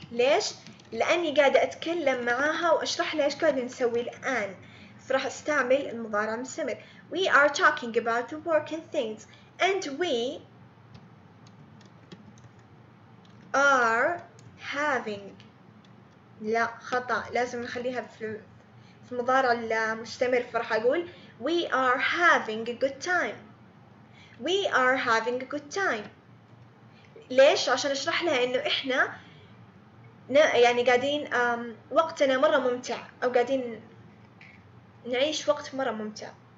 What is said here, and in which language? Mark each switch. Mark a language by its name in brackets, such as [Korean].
[Arabic] ليش؟ لأني قاعدة أتكلم معاها وأشرح لها إيش قاعد نسوي الآن، فراح أستعمل المضارع المستمر. [English] We are talking about the work and things and we are having. [Arabic] لا خطأ، لازم نخليها في مضارع المستمر، فراح أقول [English] we are having a good time. We are having a good time. [Arabic] ليش؟ عشان أشرح لها إنه إحنا يعني قاعدين وقتنا مرة ممتع أو قاعدين نعيش وقت مرة ممتع.